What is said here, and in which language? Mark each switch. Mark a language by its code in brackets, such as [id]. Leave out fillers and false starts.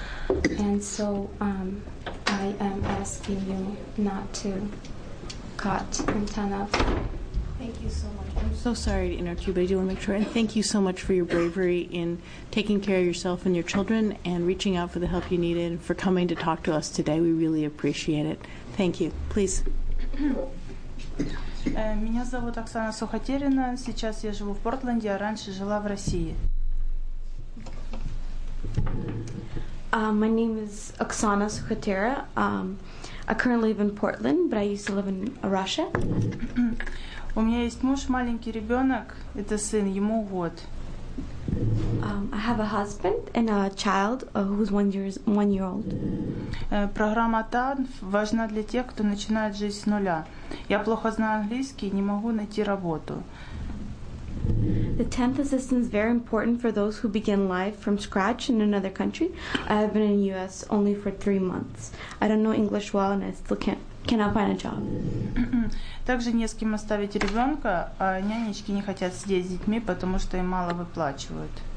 [en] And so I am asking you not to cut on TANF. Thank you so much. I'm so sorry to interrupt you, but I do want to make sure. And thank you so much for your bravery in taking care of yourself and your children and reaching out for the help you needed and for coming to talk to us today. We really appreciate it. Thank you. Please. [ru] Меня зовут Оксана Сухотерина. Сейчас я живу в Портленде, а раньше жила в России. [en] My name is Oksana Sukhatera. I currently live in Portland, but I used to live in Russia. [ru] У меня есть муж, маленький ребенок. Это сын, ему год. [en] I have a husband and a child who's one year old. [ru] Программа ТАНФ важна для тех, кто начинает жизнь с нуля. Я плохо знаю английский и не могу найти работу. [en] The TANF assistance is very important for those who begin life from scratch in another country. I have been in the U.S. only for 3 months. I don't know English well and I still cannot find a job. [ru] Также не с кем оставить ребенка, а нянечки не хотят сидеть с детьми, потому что им мало выплачивают.